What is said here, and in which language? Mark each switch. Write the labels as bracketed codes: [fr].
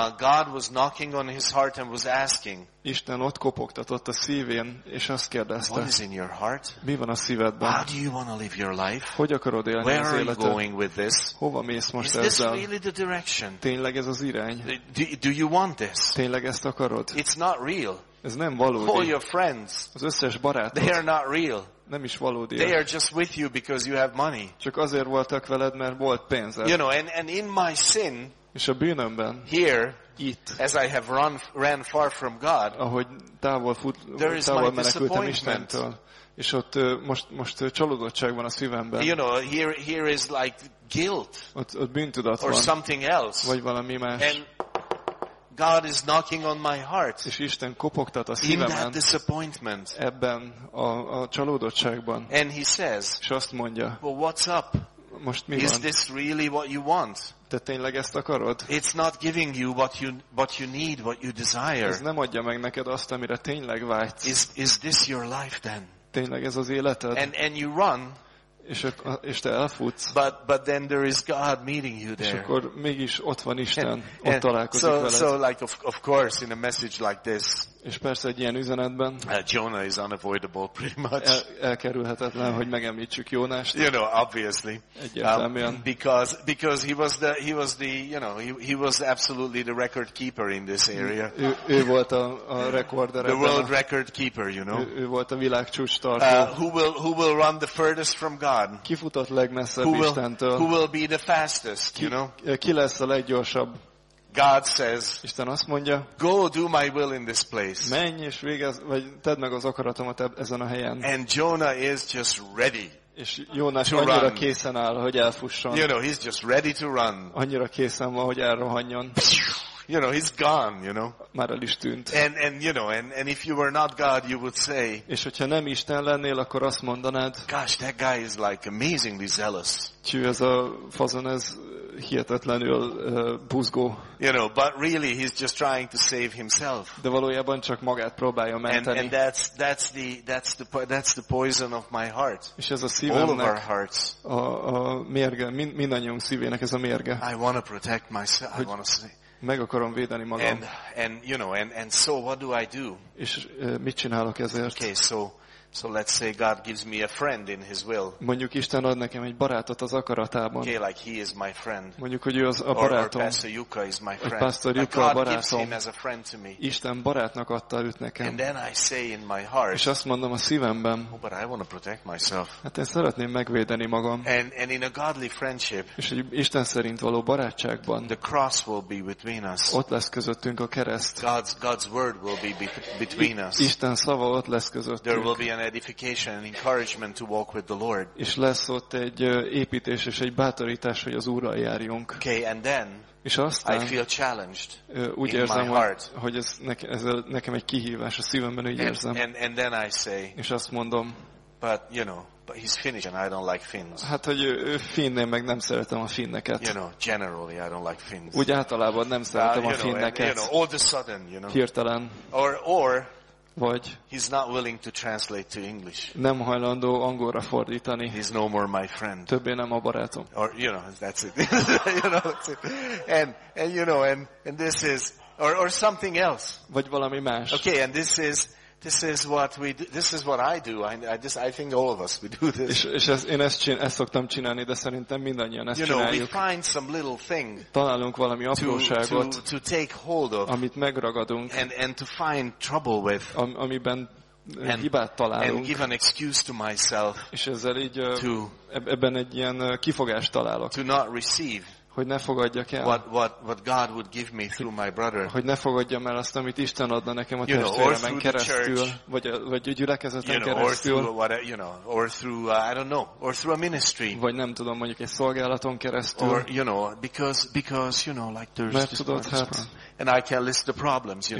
[en] God was knocking on his heart and was asking. [hu] Isten ott kopogtatott a szívén, és azt kérdezte. [en] What is in your heart? [hu] Mi van a szívedben? [en] How do you want to live your life? [hu] Hogy akarod élni [en] Where [hu] az életed? [en] Where are you going with this? [hu] Hova mész most is ezzel? [en] Is this really the direction? [hu] Tényleg ez az irány? [en] Do you want this? [hu] Tényleg ezt akarod? [en] It's not real. [hu] Ez nem valódi. [en] All your friends. [hu] Az összes barátod. [en] They are not real. [hu] Nem is valódi. [en] They are just with you because you have money. [hu] Csak azért voltak veled, mert volt pénzed. [en] You know, and in my sin. [hu] És a bűnömben. [en] Here. [hu] Itt, [en] as I have ran far from God. [hu] Ahogy távol menekültem Istentől. És ott most csalódottság van a szívemben. [en] You know, here is like guilt. [hu] Ott bűntudat [en] or [hu] van. [en] Or something else. [hu] Vagy valami más. [en] And God is knocking on my heart. [hu] És Isten kopogtat a szívemen. [en] In that disappointment. [hu] Ebben a csalódottságban. [en] And he says. [hu] És azt mondja. [en] Well, what's up? [hu] Most mi van? [en] Is this really what you want? [hu] Te tényleg ezt akarod? [en] It's not giving you what you need, what you desire. [hu] Ez nem adja meg neked azt, amire tényleg vágysz. [en] Is this your life then? [hu] Tényleg ez az életed? [en] And you run. [hu] És te elfutsz. [en] But then there is God meeting you there. [hu] És akkor mégis ott van Isten, [en] and [hu] ott találkozik veled. [en] So like of course in a message like this. [hu] És persze egy ilyen üzenetben. [en] Jonah is unavoidable pretty much. [hu] Elkerülhetetlen, hogy megemlítsük Jónást. [en] You know, obviously. [hu] Egyértelműen. [en] Because he was the you know, he was absolutely the record keeper in this area. [hu] Ő volt a rekorder. [en] The world record keeper, you know. [hu] Ő volt a világcsúcs tartó. [en] Who will run the furthest from God? [hu] Ki futott legmesszebb Istentől? [en] Who will be the fastest, you know? [hu] Ki lesz a leggyorsabb? [en] God says, [hu] Isten azt mondja, [en] go do my will in this place. [hu] Menj és végezz, vagy tedd meg az akaratomat ezen a helyen. [en] And Jonah is just ready. [hu] És Jónás annyira készen áll, hogy elfusson. [en] You know, he's just ready to run. [hu] Annyira készen van, hogy elrohanjon. [en] You know, he's gone, you know. [hu] Már el is tűnt. [en] And you know, and if you were not God, you would say, [hu] és hogyha nem Isten lennél, akkor azt mondanád, [en] gosh, that guy is like amazingly zealous. [hu] Tű, ez a fazon, ez hihetetlenül buzgó. [en] You know, but really he's just trying to save himself. [hu] De valójában csak magát próbálja menteni. [en] And that's the poison of my heart. [hu] És ez a szívemnek. [en] All of our hearts. [hu] A mérge, mindannyiunk szívének ez a mérge. [en] I want to protect myself. I want to say. [hu] Meg akarom védeni magam. [en] And you know, and so what do I do? [hu] És mit csinálok ezért? [en] Okay, so let's say God gives me a friend in his will. [hu] Mondjuk Isten ad nekem egy barátot az akaratában. [en] Okay, like he is my friend. [hu] Mondjuk, hogy ő az a barátom. [en] Or Pastor Yuka is my friend. [hu] Pastor Yuka [en] God [hu] a barátom. [en] Gives him as a friend to me. [hu] Isten barátnak adta őt nekem. [en] And then I say in my heart. [hu] És azt mondom a szívemben. [en] Oh, but I want to protect myself. [hu] Hát én szeretném megvédeni magam. [en] And in a godly friendship. [hu] És egy Isten szerint való barátságban. [en] The cross will be between us. [hu] Ott lesz közöttünk a kereszt. [en] God's word will be between us. [hu] Isten szava ott lesz közöttünk. [en] There will be an edification and encouragement to walk with the Lord. [hu] És lesz ott egy építés és egy bátorítás, hogy az Úrral járjunk. [en] Okay, and then [hu] és aztán, [en] I feel challenged. [hu] Úgy érzem, [en] my heart. [hu] Hogy ez nekem egy kihívás a szívemben, úgy érzem. [en] And then I say, [hu] és azt mondom, [en] but you know, but he's Finnish and I don't like Finns. [hu] Hát hogy ő finn, én meg nem szeretem a finneket. [en] You know, generally I don't like Finns. [hu] Úgy általában nem szeretem a finneket. [en] And, you know, all of a sudden, you know. [hu] Hirtelen. [en] Or [hu] vagy [en] he's not willing to translate to English. [hu] Nem hajlandó angolra fordítani. [en] He's no more my friend. [hu] Többé nem a barátom. [en] Or you know, that's it. You know, that's it. And you know, and this is or something else. [hu] Vagy valami más. [en] Okay, and this is what we do. This is what I do. I think all of us we do this. [hu] És ezt szoktam csinálni, de szerintem mindannyian ezt csináljuk. [en] You know, we find some little thing. [hu] Találunk valami apróságot, [en] to take hold of, [hu] amit megragadunk, [en] and to find trouble with, [hu] amiben hibát találunk. [en] And give an excuse to myself. [hu] És ezzel így ebben egy ilyen kifogást találok. [en] To not receive. [hu] Hogy ne fogadjak el. [en] What God would give me through my brother. [hu] Hogy ne fogadjam el azt, amit Isten adna nekem a testvéremen keresztül, vagy a gyülekezeten keresztül. [en] Or through a ministry. [hu] Vagy nem tudom, mondjuk egy szolgálaton keresztül. [en] And I can list the problems, you know.